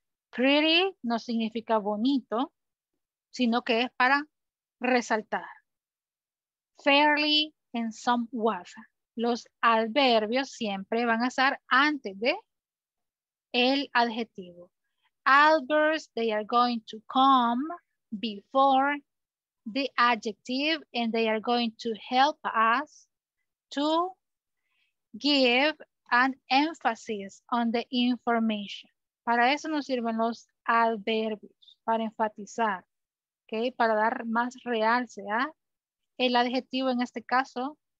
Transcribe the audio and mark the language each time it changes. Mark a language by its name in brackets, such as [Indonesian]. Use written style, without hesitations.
[Spanish] Pretty no significa bonito, sino que es para resaltar. [English] Fairly and somewhat. [Spanish] Los adverbios siempre van a estar antes de el adjetivo. [English] Adverbs, they are going to come before the adjective and they are going to help us to give an emphasis on the information. [Spanish] Para eso nos sirven los adverbios, para enfatizar, okay, para dar más realce a el adjetivo en este caso.